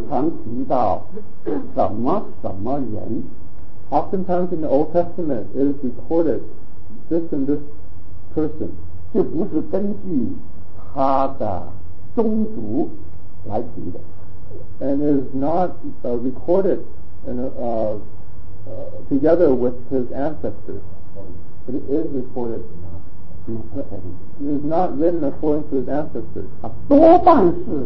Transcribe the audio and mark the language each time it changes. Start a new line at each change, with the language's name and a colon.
Chinese: 在旧约的历史的里边，常常提到什么什么人。
English: Oftentimes in the Old Testament, it is recorded this and this person.
Chinese: 就不是根据他的宗族来提的。
English: And it is not recorded in a, together with his ancestors. But it is recorded. It is not written according to his ancestors.